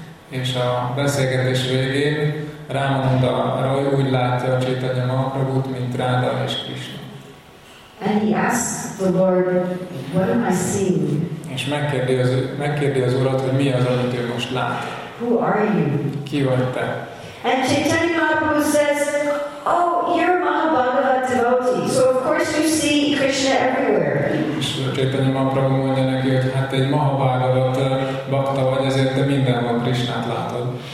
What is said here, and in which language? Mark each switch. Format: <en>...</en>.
<hu>És a beszélgetés végén Ramananda Roy úgy látja a Chaitanya Mahaprabhut, mint Radha és Krishna.</hu> <en>And he asks the Lord, what am I seeing?</en> <hu>És megkérdi az Urat, hogy mi az, amit ő most lát.</hu> <en>Who are you?</en> <hu>Ki vagy te?</hu> <en>And Chaitanya Mahaprabhu says, oh, you're Mahabhagavata devotee, so of course you see Krishna everywhere.</en> <hu>És Chaitanya Mahaprabhu mondja neki, hogy hát egy Mahabhagavata bhakta vagy, ezért te mindenhol Krishnát látod.</hu>